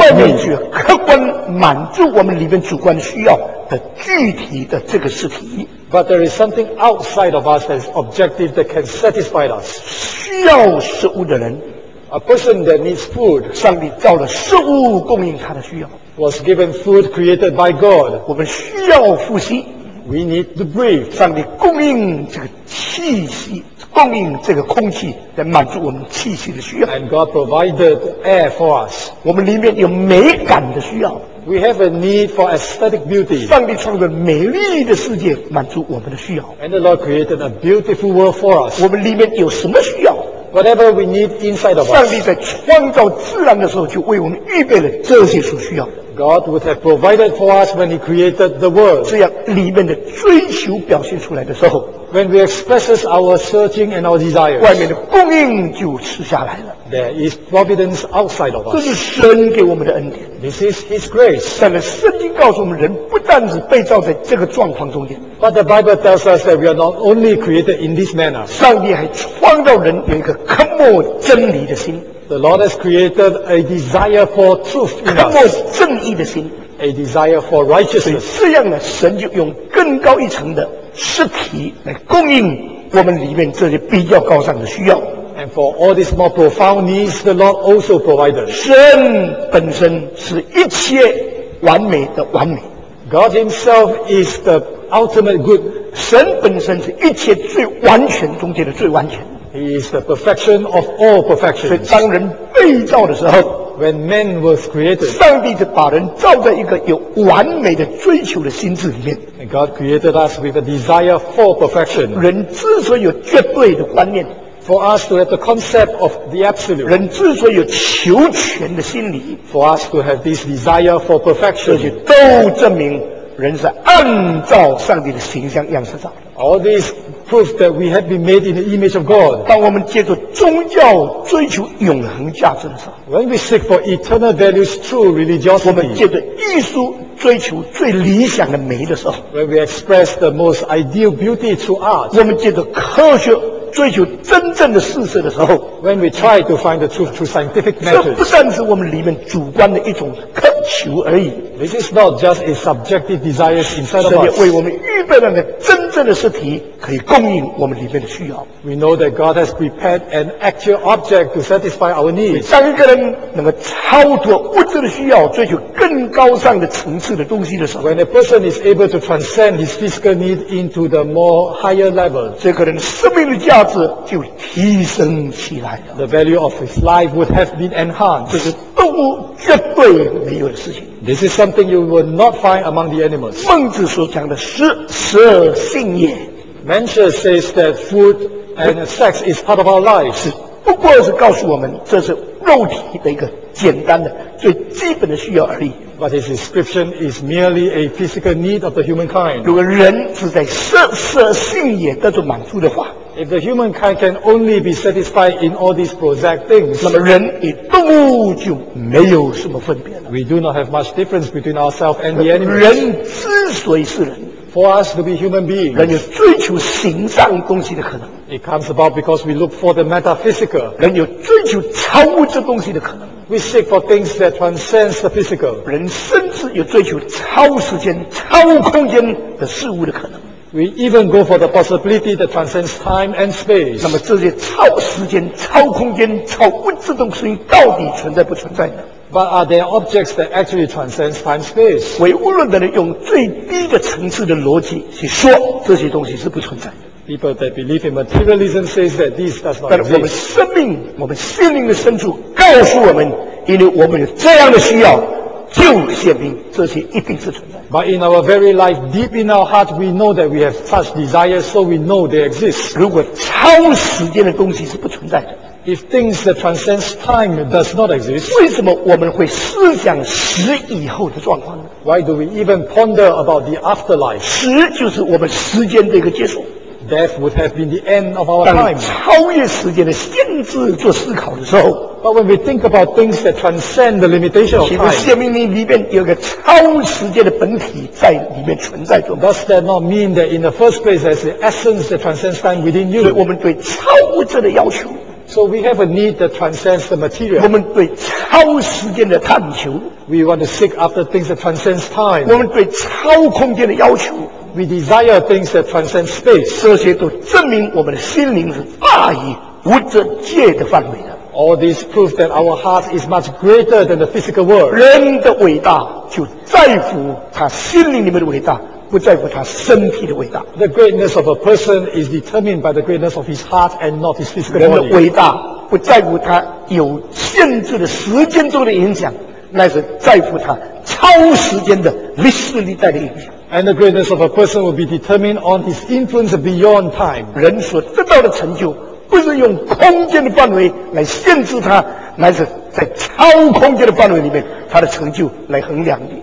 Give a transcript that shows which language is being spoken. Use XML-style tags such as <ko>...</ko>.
<zh>外面去客观满足我们里面主观需要的具体的这个实体。</zh> <en>But there is something outside of us that is objective that can satisfy us.</en> <zh>需要食物的人</zh> <en>，a person that needs food.</en> <zh>上帝造了食物供应他的需要。</zh> <en>Was given food created by God.</en> <zh>我们需要呼吸。</zh> <en>We need to breathe.</en> <zh>上帝供应这个气息。供应这个空气来满足我们气息的需要。</zh> <en>And God provided air for us.</en> <zh>我们里面有美感的需要。</zh> <en>We have a need for aesthetic beauty.</en> <zh>上帝创造美丽的世界满足我们的需要。</zh> <en>And the Lord created a beautiful world for us.</en> <zh>我们里面有什么需要？</zh> <en>Whatever we need inside of us.</en> <zh>上帝在创造自然的时候就为我们预备了这些所需要。</zh> <en>God would have provided for us when He created the world.</en> <zh>这样里面的追求表现出来的时候。</zh> <en>When we express our searching and our desires,</en> <zh>外面的供应就吃下来了。</zh> <en>There is providence outside of us.</en> <zh>这是神给我们的恩典。</zh> <en>This is His grace.</en> <zh>但是圣经告诉我们，人不但是被造在这个状况中间。</zh> <en>But the Bible tells us that we are not only created in this manner.</en> <zh>上帝还创造人有一个渴慕真理的心。</zh> <en>The Lord has created a desire for truth in us.</en> <zh>渴慕正义的心。</zh> <en>A desire for righteousness.</en> <zh>所以这样呢，神就用更高一层的实体来供应我们里面这些比较高尚的需要。</zh> <en>And for all these more profound needs, the Lord also provided.</en> <zh>神本身是一切完美的完美。</zh> <en>God Himself is the ultimate good.</en> <zh>神本身是一切最完全中间的最完全。</zh> <en>He is the perfection of all perfections.</en> <zh>所以当人被造的时候，</zh> <en>When man was created,</en> <zh>上帝就把人造在一个有完美的追求的心智里面。</zh> <en>And God created us with a desire for perfection.</en> <zh>人之所以有绝对的观念，</zh> <en>for us to have the concept of the absolute.</en> <zh>人之所以有求全的心理，</zh> <en>for us to have this desire for perfection.</en> <zh>这些都证明人是按照上帝的形象样式造的。</zh> <en>All this proves that we have been made in the image of God.</en> <zh>当我们借助宗教追求永恒价值的时候，</zh> <en>When we seek for eternal values through religiosity,</en> <zh>我们借助艺术追求最理想的美的时候，</zh> <en>When we express the most ideal beauty through art,</en> <zh>我们借助科学追求真正的事实的时候，</zh> <en>When we try to find the truth through scientific methods,</en> <zh>这不但是我们里面主观的一种渴求而已。</zh> <en>This is not just a subjective desire inside of us.</en> <zh>神也为我们预备了那个真正的实体，可以供应我们里面的需要。</zh> <en>We know that God has prepared an actual object to satisfy our needs.</en> <zh>当一个人能够超脱物质的需要，追求更高尚的层次的东西的时候，</zh> <en>When a person is able to transcend his physical need into the more higher level,</en> <zh>这个人生命的价值就提升起来了。</zh> <en>The value of his life would have been enhanced.</en> <zh>这是动物绝对没有的事情。</zh> <en>This is something you will not find among the animals.</en> <zh>孟子所讲的食，食而性也。</zh> <en>Mencius says that food and sex is part of our lives.</en> <zh>不过是告诉我们这是肉体的一个简单的最基本的需要而已。</zh> <en>But his description is merely a physical need of the humankind.</en> <zh>如果人只在食色性也得到满足的话，</zh> <en>If the humankind can only be satisfied in all these prosaic things,</en> <zh>那么人与动物就没有什么分别了。</zh> <en>We do not have much difference between ourselves and the animals.</en> <zh>人之所以是人，</zh> <en>For us to be human beings,</en> <zh>人有追求形上东西的可能。</zh> <en>It comes about because we look for the metaphysical.</en> <zh>人有追求超物质东西的可能。</zh> <en>We seek for things that transcend the physical.</en> <zh>人甚至有追求超时间、超空间的事物的可能。</zh> <en>We even go for the possibility that transcends time and space.</en> <zh>那么这些超时间、超空间、超物质东西到底存在不存在呢？</zh> <en>But are there objects that actually transcend time space?</en> <zh>唯物论的人用最低的层次的逻辑去说这些东西是不存在的。</zh> <en>People that believe in materialism say that this does not exist.</en> <zh>但我们生命，我们心灵的深处告诉我们，因为我们有这样的需要，就显明这些一定是存在。</zh> <en>But in our very life, deep in our heart, we know that we have such desires, so we know they exist.</en> <zh>如果超时间的东西是不存在的，</zh> <en>If things that transcend time does not exist,</en> <zh>为什么我们会思想死以后的状况呢？</zh> <en>Why do we even ponder about the afterlife?</en> <zh>死就是我们时间的一个结束。</zh> <en>Death would have been the end of our time.</en> <zh>当超越时间的限制做思考的时候，</zh> <en>But when we think about things that transcend the limitation of time,</en> <zh>岂不显明你里面有个超时间的本体在里面存在着？</zh> <en>Does that not mean that in the first place there's the essence that transcends time within you?</en> <zh>所以我们对超物质的要求，</zh> <en>So we have a need that transcends the material.</en> <zh>我们对超时间的探求，</zh> <en>We want to seek after things that transcends time.</en> <zh>我们对超空间的要求，</zh> <en>We desire things that transcend space.</en> <zh>这些都证明我们的心灵是大于物质界的范围的。</zh> <en>All this proves that our heart is much greater than the physical world.</en> <zh>人的伟大就在乎他心灵里面的伟大，不在乎他身体的伟大。</zh> <en>The greatness of a person is determined by the greatness of his heart and not his physical body.</en> <zh>人的伟大不在乎他有限制的时间中的影响，那是在乎他超时间的历史历代的影响。</zh> <en>And the greatness of a person will be determined on his influence beyond time.</en> <zh>人所得到的成就不是用空间的范围来限制他，乃是在超空间的范围里面他的成就来衡量你。</zh>